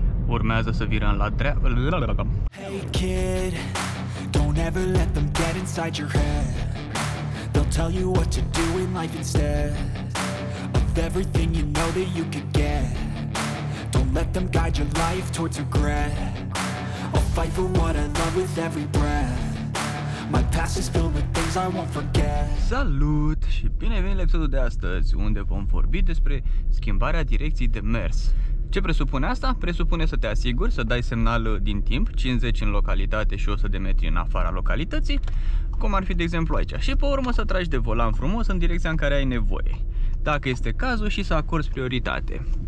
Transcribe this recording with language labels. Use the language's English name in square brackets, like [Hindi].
[Romanian] urmează să virăm la dreapta. [English] Hey kid, don't ever let them get inside your head. They'll tell you what to do in life instead of everything you know that you could get. Don't let them guide your life towards regret. I'll fight for what I love with every breath. My past is filled with things I won't forget. [Romanian] Salut și bine ai venit la episodul de astăzi, unde vom vorbi despre schimbarea direcției de mers. Ce presupune asta? Presupune să te asiguri, să dai semnal din timp, 50 în localitate și 100 de metri în afara localității, cum ar fi de exemplu aici, și pe urmă să tragi de volan frumos în direcția în care ai nevoie, dacă este cazul, și să acorzi prioritate.